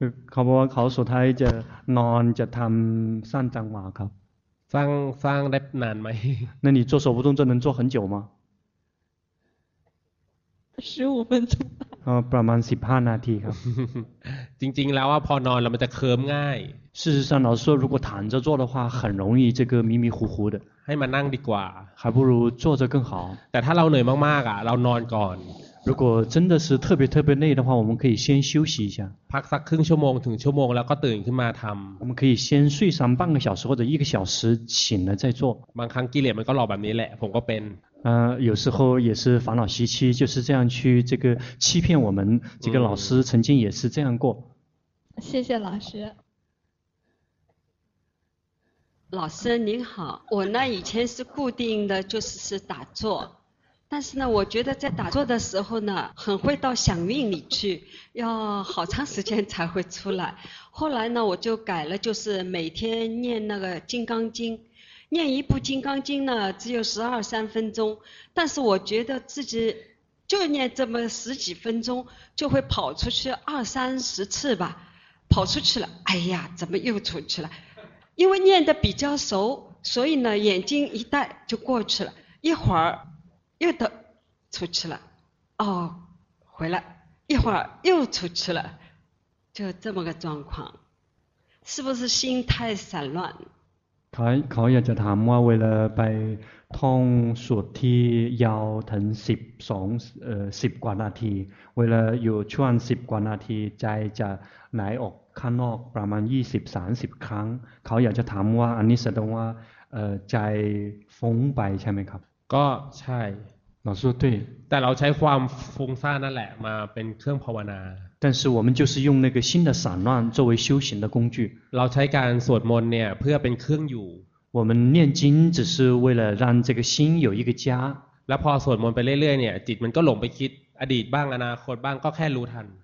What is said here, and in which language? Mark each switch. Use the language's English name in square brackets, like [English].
[Thai] เขาบอกว่าเขาสุดท้ายจะนอนจะทำสั้นจังหวะครับ สร้างได้นานไหม [Chinese] 那你做手部动作能做很久吗 15分钟 [Thai] ประมาณ15นาทีครับ จริงๆแล้วพอนอนแล้วมันจะเคลิ้มง่าย [Chinese] 事实上老师说如果躺着做的话很容易这个迷迷糊糊的 [Thai] ให้มานั่งดีกว่า [Chinese] 还不如坐着更好 [Thai] แต่ถ้าเราเหนื่อยมากๆอ่ะเรานอนก่อน [Chinese] 如果真的是特别特别累的话我们可以先休息一下 [Thai] พักสักครึ่งชั่วโมงถึงชั่วโมงแล้วก็ตื่นขึ้นมาทำ [Chinese] 我们可以先睡上半个小时或者一个小时醒了再做 [Thai] บางครั้งกิเลสมันก็หลอกแบบนี้แหละผมก็เป็น [Chinese] 有时候也是烦恼习气就是这样去这个欺骗我们这个老师曾经也是这样过谢谢老师老师您好我那以前是固定的就是打坐但是呢我觉得在打坐的时候呢很会到响应里去要好长时间才会出来后来呢我就改了就是每天念那个金刚经念一部金刚经呢只有十二三分钟但是我觉得自己就念这么十几分钟就会跑出去二三十次吧跑出去了哎呀怎么又出去了因为念得比较熟所以呢眼睛一戴就过去了，一会儿又的出去了，哦回来，一会儿又出去了，就这么个状况，是不是心太散乱？ [Thai] เขาอยากจะถามว่าเวลาไปท่องสวดที่ยาวถึง10กว่านาทีเวลาอยู่ช่วง10กว่านาทีใจจะไหลออกข้างนอกประมาณ 20-30 ครั้งเขาอยากจะถามว่าอันนี้แสดงว่าใจฟุ้งไปใช่ไหมครับ ก็ใช่ [Chinese] 老师对 [Thai] แต่เราใช้ความฟุ้งซ่านนั่นแหละมาเป็นเครื่องภาวนา [Chinese] 但是我们就是用那个心的散乱作为修行的工具 [Thai] เราใช้การสวดมนต์เนี่ยเพื่อเป็นเครื่องอยู่ [Chinese] 我们念经只是为了让这个心有一个家 [Thai] แล้วพอสวดมนต์ไปเรื่อยๆเนี่ยจิตมันก็หลงไปคิดอดีตบ้างอนาคตบ้างก็แค่รู้ทัน